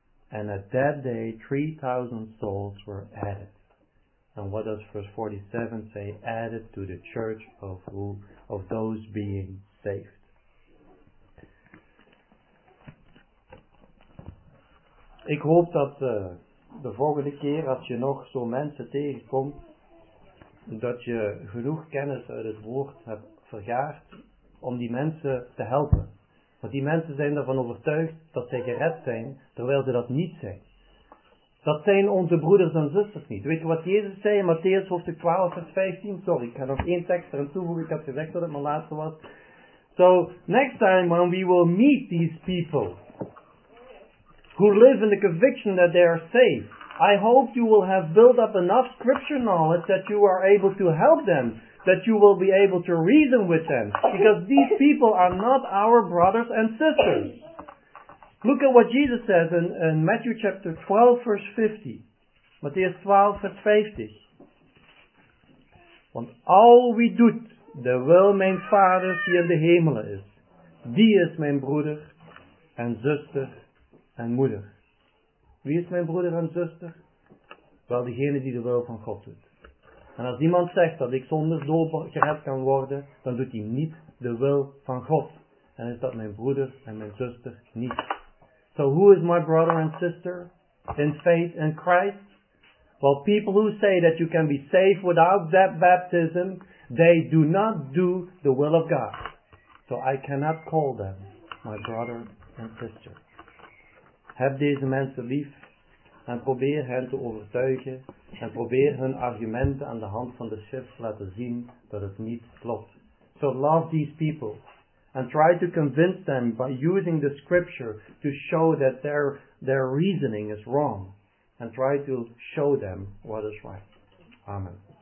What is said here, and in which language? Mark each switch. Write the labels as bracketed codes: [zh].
[en] And at that day, 3,000 souls were added. And what does verse 47 say? Added to the church of those being saved. [nl] Ik hoop dat de volgende keer, als je nog zo mensen tegenkomt, dat je genoeg kennis uit het woord hebt vergaard om die mensen te helpen. Want die mensen zijn ervan overtuigd dat zij gered zijn, terwijl ze dat niet zijn. Dat zijn onze broeders en zusters niet. Weet je wat Jezus zei in Matteüs hoofdstuk 12 vers 15? Sorry, ik ga nog één tekst eraan toevoegen. Ik had gezegd dat het mijn laatste was. [en] So, next time when we will meet these people who live in the conviction that they are saved, I hope you will have built up enough scripture knowledge that you are able to help them, that you will be able to reason with them, because these people are not our brothers and sisters. Look at what Jesus says in Matthew chapter 12, verse 50. [nl] Matthäus 12, vers 50. Want al wie doet de wil mijn vaders die in de hemelen is, die is mijn broeder en zuster en moeder. Wie is mijn broeder en zuster? Wel, degene die de wil van God doet. En als iemand zegt dat ik zonder doop gered kan worden, dan doet hij niet de wil van God. En is dat mijn broeder en mijn zuster niet. [en] So who is my brother and sister in faith in Christ? Well, people who say that you can be saved without that baptism, they do not do the will of God. So I cannot call them my brother and sister. [nl] Heb deze mensen lief en probeer hen te overtuigen en probeer hun argumenten aan de hand van de schrift te laten zien dat het niet klopt. [en] So love these people and try to convince them by using the scripture to show that their reasoning is wrong. And try to show them what is right. Amen.